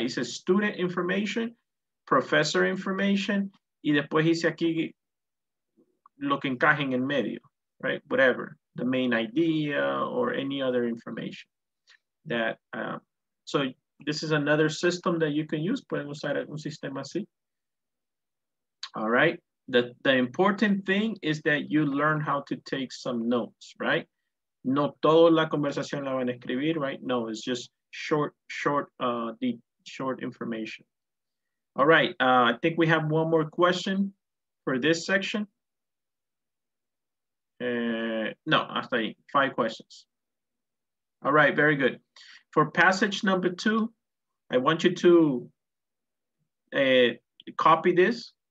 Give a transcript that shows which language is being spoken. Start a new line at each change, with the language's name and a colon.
Spanish: Hice
English: student information, professor information,
Spanish: y después hice aquí lo que encaje en el medio, right?
English: Whatever, the main idea or any other information that, so this is another system that you can use.
Spanish: Pueden usar un sistema así. All right.
English: The important thing is that you learn how to take some notes, right?
Spanish: No toda la conversación la van a escribir, right?
English: No, it's just short information. All right, I think we have one more question for this section.
Spanish: No, hasta ahí,
English: five questions. All right, very good. For passage number two, I want you to copy this.